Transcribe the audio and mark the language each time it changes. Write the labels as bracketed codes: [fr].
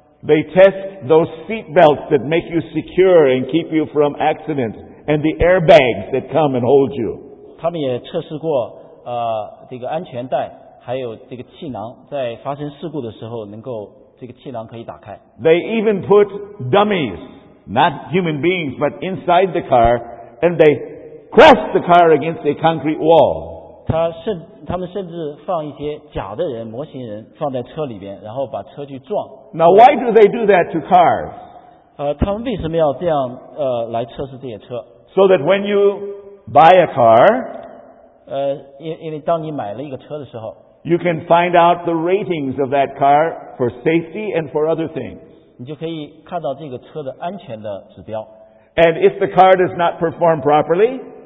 [en] They test those seat belts that make you secure and keep you from accidents and the airbags that come and hold you. [zh] 他们也测试过这个安全带还有这个气囊在发生事故的时候能够这个气囊可以打开。 [en] They even put dummies, not human beings, but inside the car and they crash the car against a concrete wall. [zh] 他们甚至放一些假的人模型人放在车里边然后把车去撞。 [en] Now why do they do that to cars? [zh] 他们为什么要这样来测试这些车 [en] ?So that when you buy a car, [zh] 因为当你买了一个车的时候 [en] ,you can find out the ratings of that car for safety and for other things. [zh] 你就可以看到这个车的安全的指标。 [en] And if the car does not perform properly,